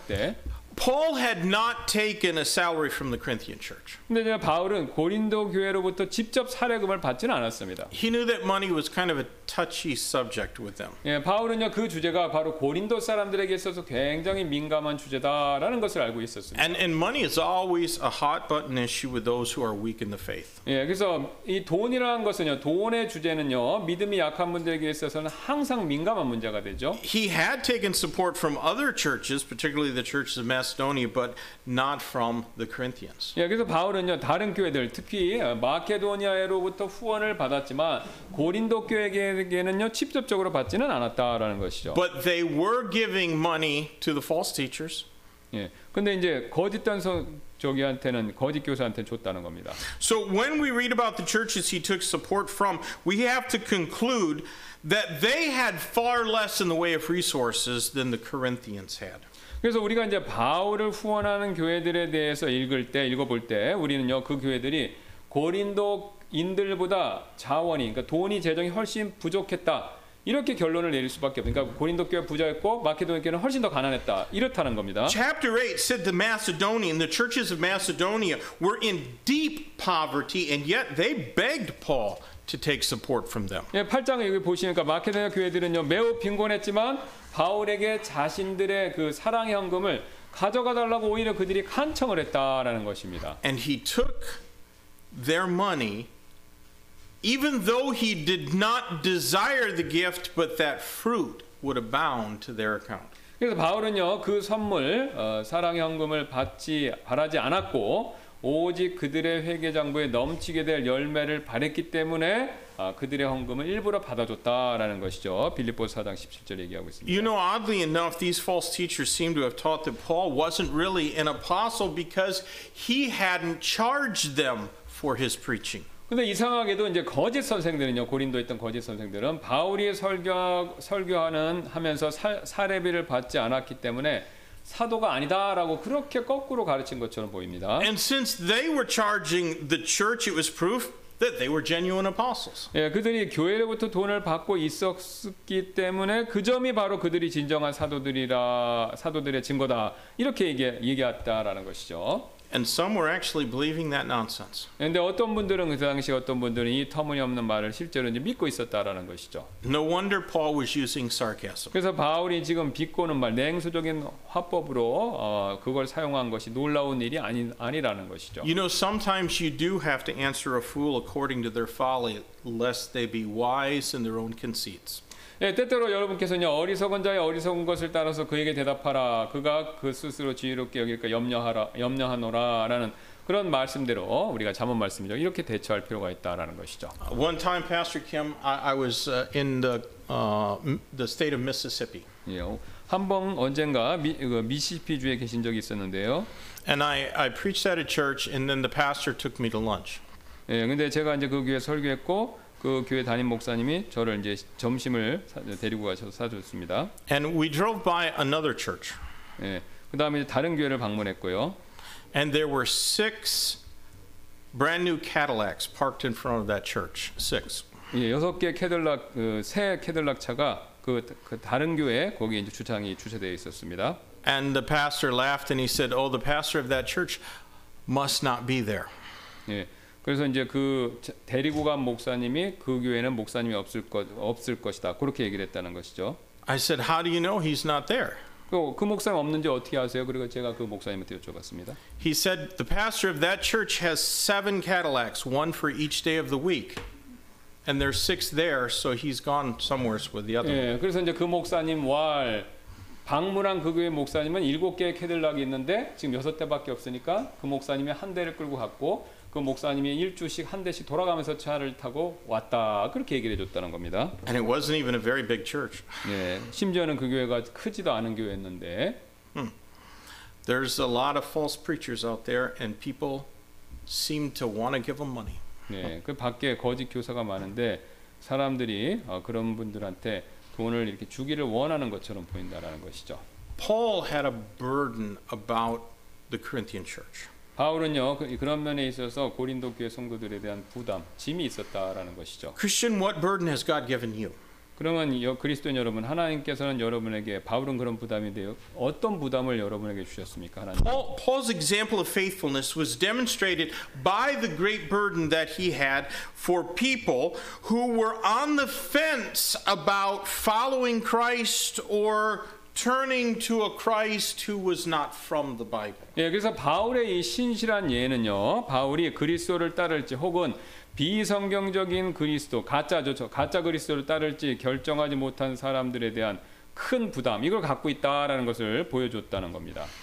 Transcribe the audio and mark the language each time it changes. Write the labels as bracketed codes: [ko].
[ko] 그때 [en] Paul had not taken a salary from the Corinthian church. [ko] 근데 바울은 고린도 교회로부터 직접 사례금을 받지는 않았습니다. [en] He knew that money was kind of a touchy subject with them. [ko] 예, 바울은요 그 주제가 바로 고린도 사람들에게 있어서 굉장히 민감한 주제다라는 것을 알고 있었습니다. [en] And money is always a hot button issue with those who are weak in the faith. [ko] 예, 그래서 이 돈이라는 것은요 돈의 주제는요 믿음이 약한 분들에게 있어서는 항상 민감한 문제가 되죠. [en] He had taken support from other churches, particularly the churches of Macedonia, but not from the Corinthians. [ko] 예, 그래서 바울은요 다른 교회들 특히 마케도니아에로부터 후원을 받았지만 고린도 교회에게는요 직접적으로 받지는 않았다라는 것이죠. [en] But they were giving money to the false teachers. [ko] 예, 근데 이제 거짓된 저기한테는 거짓 교사한테 줬다는 겁니다. [en] So when we read about the churches he took support from, we have to conclude that they had far less in the way of resources than the Corinthians had. [ko] 그래서 우리가 이제 바울을 후원하는 교회들에 대해서 읽어볼 때 우리는요 그 교회들이 고린도인들보다 자원이 그러니까 돈이 재정이 훨씬 부족했다 이렇게 결론을 내릴 수밖에 없어요. 그러니까 고린도 교회 부자였고 마케도니아 교회는 훨씬 더 가난했다 이렇다는 겁니다. [en] Chapter 8 said the Macedonian, the churches of Macedonia were in deep poverty, and yet they begged Paul to take support from them. [ko] 예, 8장을 여기 보시니까 마케도니아 교회들은요 매우 빈곤했지만 바울에게 자신들의 그 사랑의 헌금을 가져가 달라고 오히려 그들이 간청을 했다라는 것입니다. [en] And he took their money even though he did not desire the gift but that fruit would abound to their account. [ko] 그래서 바울은요 그 선물 사랑의 헌금을 바라지 않았고 오직 그들의 회계 장부에 넘치게 될 열매를 바랬기 때문에 그들의 헌금을 일부러 받아줬다라는 것이죠. 빌립보서 4장 17절 얘기하고 있습니다. [en] You know, oddly enough, these false teachers seem to have taught that Paul wasn't really an apostle because he hadn't charged them for his preaching. [ko] 근데 이상하게도 이제 거짓 선생들은요. 고린도에 있던 거짓 선생들은 바울이 설교하는 하면서 사례비를 받지 않았기 때문에 사도가 아니다라고 그렇게 거꾸로 가르친 것처럼 보입니다. [en] And since they were charging the church, it was proof that they were genuine apostles. [ko] 예, 그들이 교회로부터 돈을 받고 있었기 때문에 그 점이 바로 그들이 진정한 사도들이라 사도들의 증거다. 이렇게 얘기했다라는 것이죠. [en] And some were actually believing that nonsense. [ko] 근데 어떤 분들은 그 당시 어떤 분들은 이 터무니없는 말을 실제로 이제 믿고 있었다라는 것이죠. [en] No wonder Paul was using sarcasm. [ko] 그래서 바울이 지금 비꼬는 말, 냉소적인 화법으로 그걸 사용한 것이 놀라운 일이 아니라는 것이죠. [en] You know, sometimes you do have to answer a fool according to their folly, lest they be wise in their own conceits. [ko] 예, 때때로 여러분께서는요 어리석은 자의 어리석은 것을 따라서 그에게 대답하라. 그가 그 스스로 지혜롭게 여길까 염려하노라라는 그런 말씀대로 우리가 잠언 말씀이죠. 이렇게 대처할 필요가 있다라는 것이죠. [en] One time, Pastor Kim, I was in the state of Mississippi. [ko] 예, 한번 언젠가 미시시피 주에 계신 적이 있었는데요. [en] And I preached at a church, and then the pastor took me to lunch. [ko] 예, 근데 제가 이제 그 교회 설교했고. 그 교회 담임 목사님이 저를 이제 점심을 데리고 가셔서 사줬습니다. [en] And we drove by another church. [ko] 예. 그다음에 다른 교회를 방문했고요. [en] And there were six brand new Cadillacs parked in front of that church. Six. [ko] 예, 여섯 개 캐들락 새 캐들락 차가 그 다른 교회 거기 이제 주차장이 주차되어 있었습니다. [en] And the pastor laughed and he said, "Oh, the pastor of that church must not be there." [ko] 예. 그래서 이제 그 데리고 간 목사님이 그 교회는 목사님이 없을 것이다. 그렇게 얘기를 했다는 것이죠. [en] I said, "How do you know he's not there?" [ko] 그 목사님 없는지 어떻게 아세요? 그리고 제가 그 목사님한테 여쭤봤습니다. [en] He said, "The pastor of that church has seven Cadillacs, one for each day of the week. And there's six there, so he's gone somewhere with the other." [ko] 예, 그래서 이제 그 목사님 왈 방문한 그 교회 목사님은 일곱 개의 캐들락이 있는데 지금 여섯 대밖에 없으니까 그 목사님이 한 대를 끌고 갔고 그 목사님이 일주씩 한 대씩 돌아가면서 차를 타고 왔다 그렇게 얘기를 해줬다는 겁니다. [en] And it wasn't even a very big church. [ko] 네, 심지어는 그 교회가 크지도 않은 교회였는데. [en] There's a lot of false preachers out there, and people seem to want to give them money. [ko] 네, 그 밖에 거짓 교사가 많은데 사람들이 그런 분들한테 돈을 이렇게 주기를 원하는 것처럼 보인다라는 것이죠. [en] Paul had a burden about the Corinthian church. [ko] 바울은요 그런 면에 있어서 고린도 교회 성도들에 대한 부담, 짐이 있었다라는 것이죠. [en] Christian, what burden has God given you? [ko] 그러면 그리스도인 여러분, 하나님께서는 여러분에게 바울은 그런 부담인데요. 어떤 부담을 여러분에게 주셨습니까, 하나님? [en] Paul's example of faithfulness was demonstrated by the great burden that he had for people who were on the fence about following Christ or turning to a Christ who was not from the Bible. [ko] 예, 그래서 바울의 이 신실한 예는요. 바울이 그리스도를 따를지 혹은 비성경적인 그리스도, 가짜 그리스도를 따를지 결정하지 못한 사람들에 대한 큰 부담 이걸 갖고 있다라는 것을 보여줬다는 겁니다.